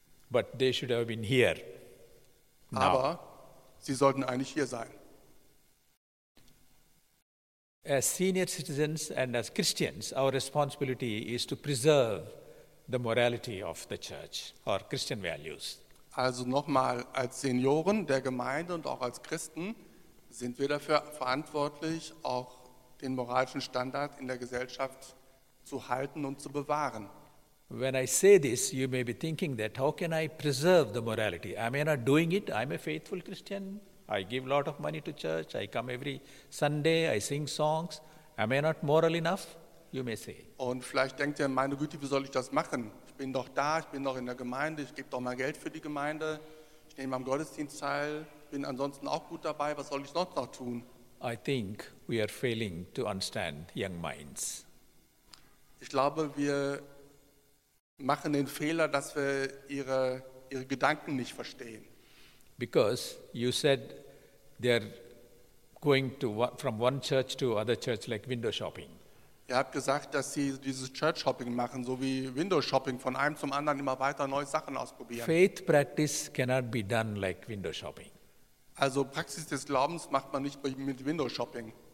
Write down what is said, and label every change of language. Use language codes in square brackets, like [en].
[en] But they should have been here. [de] Aber sie sollten eigentlich hier sein. [en] As senior citizens and as Christians, our responsibility is to preserve the morality of the church or Christian values. [de] Also nochmal, als Senioren der Gemeinde und auch als Christen sind wir dafür verantwortlich, auch den moralischen Standard in der Gesellschaft zu halten und zu bewahren. [en] When I say this, you may be thinking that how can I preserve the morality? Am I not doing it? I'm a faithful Christian. I give a lot of money to church. I come every Sunday. I sing songs. Am I not moral enough? You may say. [de] Und vielleicht denkt ihr, meine Güte, wie soll ich das machen? Ich bin doch da, ich bin doch in der Gemeinde, ich gebe doch mal Geld für die Gemeinde, ich nehme am Gottesdienst teil, bin ansonsten auch gut dabei, was soll ich sonst noch tun? [en] I think we are failing to understand young minds. [de] Ich glaube, wir machen den Fehler, dass wir ihre Gedanken nicht verstehen. [en] Because you said they're going to from one church to other church like window shopping. [de] Ihr habt gesagt, dass sie dieses Church-Hopping machen, so wie Window-Shopping, von einem zum anderen immer weiter neue Sachen ausprobieren. [en] Faith practice cannot be done like Window-Shopping. [de] Also Praxis des Glaubens macht man nicht mit Window-Shopping.